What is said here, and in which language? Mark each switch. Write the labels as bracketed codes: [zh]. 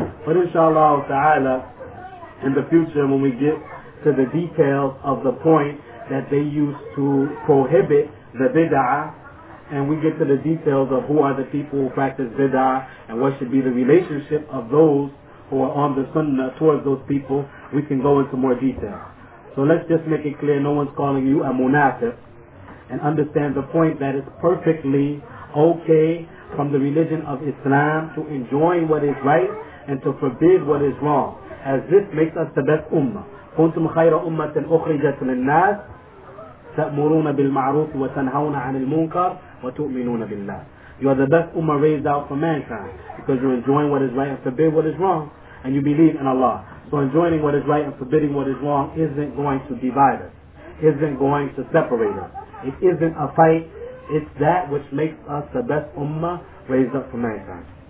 [en] But inshallah ta'ala, in the future when we get to the details of the point that they used to prohibit the bid'ah, and we get to the details of who are the people who practice bid'ah and what should be the relationship of those who are on the sunnah towards those people, we can go into more detail. So let's just make it clear, no one's calling you a munafiq, and understand the point that it's perfectly okay from the religion of Islam to enjoin what is right and to forbid what is wrong, as this makes us the best ummah. [ar] كنتم خير أمة أخرجت للناس تأمرون بالمعروف وتنهون عن المنكر وتؤمنون بالله. [en] You are the best ummah raised out for mankind because you're enjoying what is right and forbid what is wrong, and you believe in Allah. So enjoining what is right and forbidding what is wrong isn't going to divide us, isn't going to separate us. It isn't a fight. It's that which makes us the best ummah raised up for mankind.